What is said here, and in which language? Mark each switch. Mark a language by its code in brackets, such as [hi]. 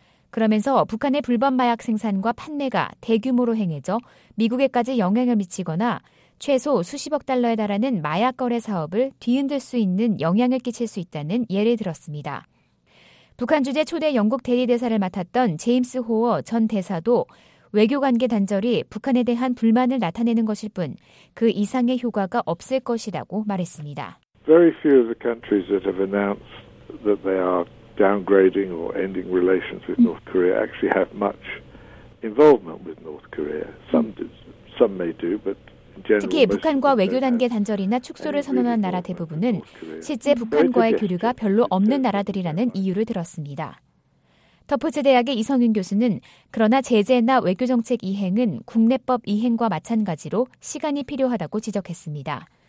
[ko] 그러면서 북한의 불법 마약 생산과 판매가 대규모로 행해져 미국에까지 영향을 미치거나 최소 수십억 달러에 달하는 마약 거래 사업을 뒤흔들 수 있는 영향을 끼칠 수 있다는 예를 들었습니다. 북한 주재 초대 영국 대리대사를 맡았던 제임스 호어 전 대사도 외교관계 단절이 북한에 대한 불만을 나타내는 것일 뿐 그 이상의 효과가 없을 것이라고 말했습니다. [en] Very few of the countries that have announced that they are downgrading or ending relations with North Korea actually have much involvement with North Korea. Some may do, but [ko] 특히 북한과 외교 단계 단절이나 축소를 선언한 나라 대부분은 실제 북한과의 교류가 별로 없는 나라들이라는 이유를 들었습니다. 터프츠 대학의 이성윤 교수는 그러나 제재나 외교 정책 이행은 국내법 이행과 마찬가지로 시간이 필요하다고 지적했습니다.